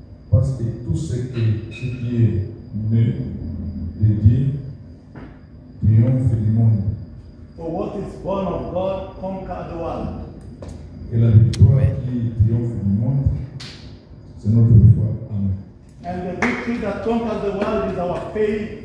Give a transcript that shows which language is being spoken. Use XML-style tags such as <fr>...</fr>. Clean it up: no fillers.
<fr>Parce que tout ce que ce qui est né de Dieu triomphe du monde.</fr> <en>For what is born of God conquers the world.</en> <fr>Et la victoire qui triomphe du monde, c'est notre foi. Amen.</fr> <en>And the victory that conquers the world is our faith.</en>